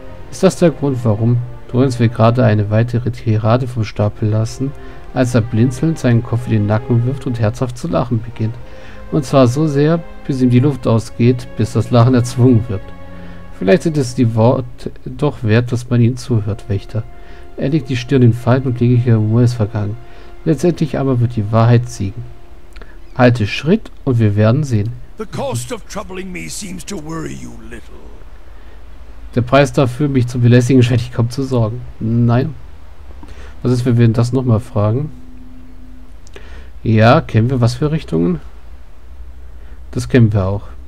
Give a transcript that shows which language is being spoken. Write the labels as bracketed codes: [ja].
[de] Ist das der Grund, warum Dorans will gerade eine weitere Tirade vom Stapel lassen, als er blinzelnd seinen Kopf in den Nacken wirft und herzhaft zu lachen beginnt? Und zwar so sehr, bis ihm die Luft ausgeht, bis das Lachen erzwungen wird. Vielleicht sind es die Worte doch wert, dass man ihnen zuhört, Wächter. Er legt die Stirn in Falten und legt ihre Ruhe ins Vergangen. Letztendlich aber wird die Wahrheit siegen. Halte Schritt und wir werden sehen. [en] The cost of troubling me seems to worry you little. [de] Der Preis dafür, mich zu belästigen, scheint ich kaum zu sorgen. Nein. Was ist, wenn wir das nochmal fragen? Ja, kennen wir was für Richtungen? Das kennen wir auch.